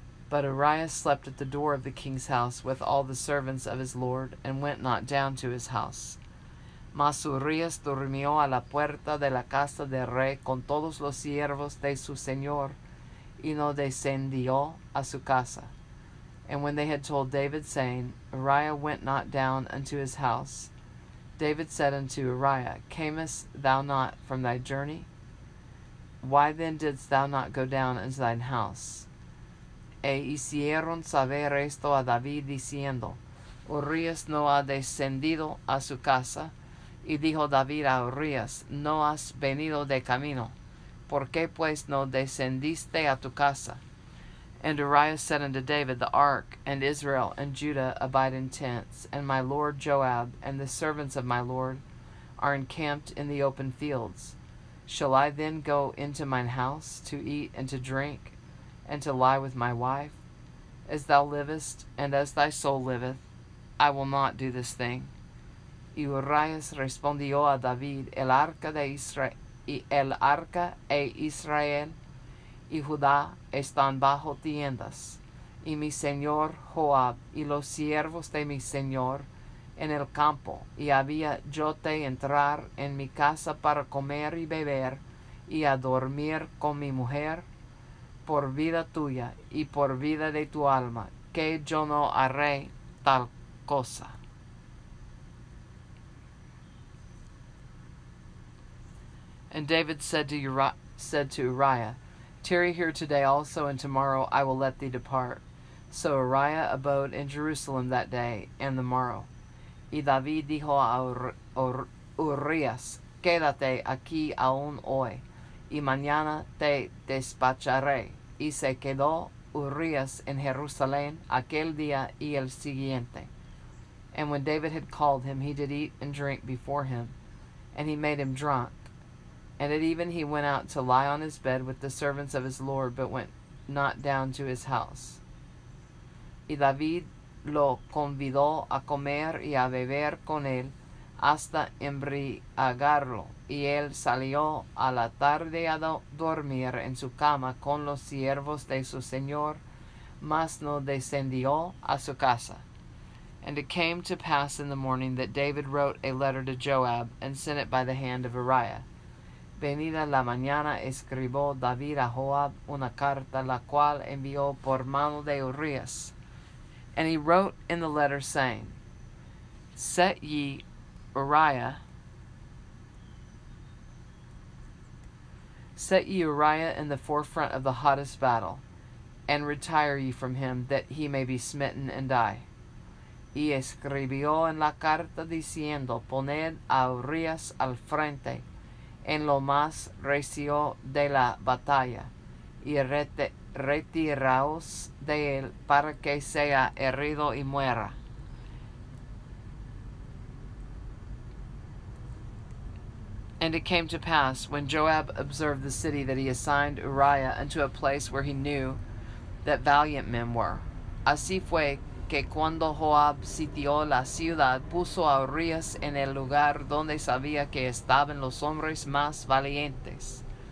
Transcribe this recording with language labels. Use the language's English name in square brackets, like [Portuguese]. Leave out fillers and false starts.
[English] But Uriah slept at the door of the king's house with all the servants of his lord, and went not down to his house. [Spanish] Mas Urias durmió a la puerta de la casa del rey con todos los siervos de su señor, y no descendió a su casa. [English] And when they had told David, saying, "Uriah went not down unto his house," David said unto Uriah, "Camest thou not from thy journey? Why then didst thou not go down into thine house?" [Spanish] E hicieron saber esto a David diciendo, "Urias no ha descendido a su casa." Y dijo David a Urias, "No has venido de camino. ¿Por qué pues no descendiste a tu casa?" [English] And Uriah said unto David, "The ark and Israel and Judah abide in tents, and my lord Joab and the servants of my lord are encamped in the open fields. Shall I then go into mine house to eat and to drink, and to lie with my wife? As thou livest, and as thy soul liveth, I will not do this thing." [Spanish] Y Urias respondió a David, El arca e Israel y Judá están bajo tiendas, y mi señor Joab y los siervos de mi señor en el campo, y había yo te entrar en mi casa para comer y beber, y a dormir con mi mujer, por vida tuya y por vida de tu alma, que yo no haré tal cosa. [English] And David said to Uriah, tarry here today also, and tomorrow I will let thee depart. So Uriah abode in Jerusalem that day and the morrow. [Spanish] Y David dijo a Urias, quédate aquí aún hoy, y mañana te despacharé. Y se quedó Urias en Jerusalén aquel día y el siguiente. [English] And when David had called him, he did eat and drink before him, and he made him drunk. And at even he went out to lie on his bed with the servants of his Lord, but went not down to his house. [Spanish] Y David lo convidó a comer y a beber con él hasta embriagarlo, y él salió a la tarde a dormir en su cama con los siervos de su señor, mas no descendió a su casa. [English] And it came to pass in the morning that David wrote a letter to Joab and sent it by the hand of Uriah. [Spanish] Venida la mañana escribió David a Joab una carta, la cual envió por mano de Urias. [English] And he wrote in the letter, saying, set ye Uriah, in the forefront of the hottest battle, and retire ye from him, that he may be smitten and die. [Spanish] Y escribió en la carta diciendo, poned a Urias al frente, en lo más recio de la batalla, y retiraos de él para que sea herido y muera. [English] And it came to pass, when Joab observed the city, that he assigned Uriah unto a place where he knew that valiant men were. [Spanish] Así fue que cuando Joab sitió la ciudad, puso a Urias en el lugar donde sabía que estaban los hombres más valientes.